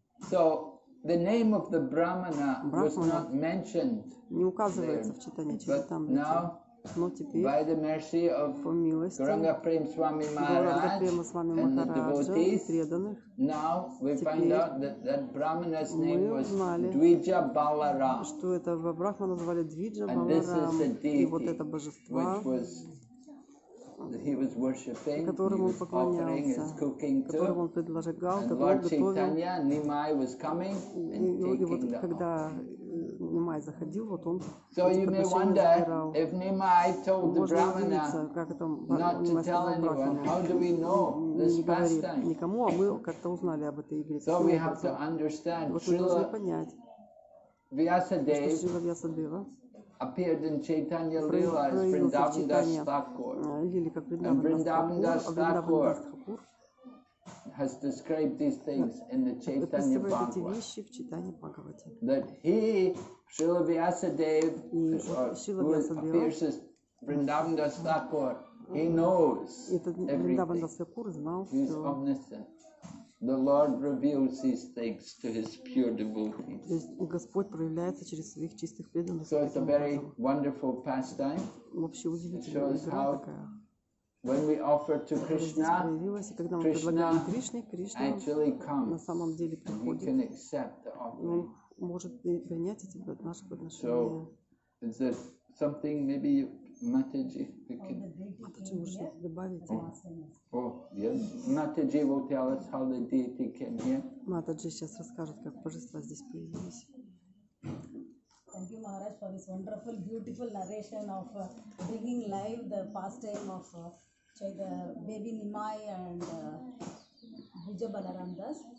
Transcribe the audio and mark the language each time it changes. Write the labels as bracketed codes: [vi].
[en] So the name of the Brahmana was not mentioned. [ru] Не указывается в читании, чем там. Но теперь, [en] by the mercy of [ru] по милости, Гранга Прем Свами Махарадж и преданных, [en] now we find out that Brahmana's name was Dvija Balaram. [ru] Что это в Брахмане называли Двиджа Баларам. И вот это божество, [en] that he was worshipping, he was offering his cooking to, and Lord Chaitanya, Nimai was coming and taking the offering. So you may wonder, if Nimai told the Brahmana not to tell anyone, how do we know this pastime? So we have to understand, Srila Vyasadeva appeared in Chaitanya Lila as Vrindavan Das Thakur. And Vrindavan Das Thakur has described these things in the Chaitanya Bhagavat. That he, Srila Vyasadeva, who appears as Vrindavan Das Thakur, he knows everything. He's omniscient. The Lord reveals these things to his pure devotees. [ru] Господь проявляется через своих чистых преданных. [en] So it's a very wonderful pastime. [ru] Вообще удивительная игра такая. [en] When we offer to Krishna, Krishna actually comes. [ru] На самом деле приходит. [en] He can accept the offering. [ru] Может принять эти наши подношения. [en] So is there something maybe you, Mataji, we can. [ru] Mataji, можно добавить? [en] Oh, yes. Mataji will tell us how the deity came here. [ru] Mataji сейчас расскажет, как божества здесь появились. [en] Thank you, Maharaj, for this wonderful, beautiful narration of bringing live the pastime of baby Nimai and Dvija Balaram Das.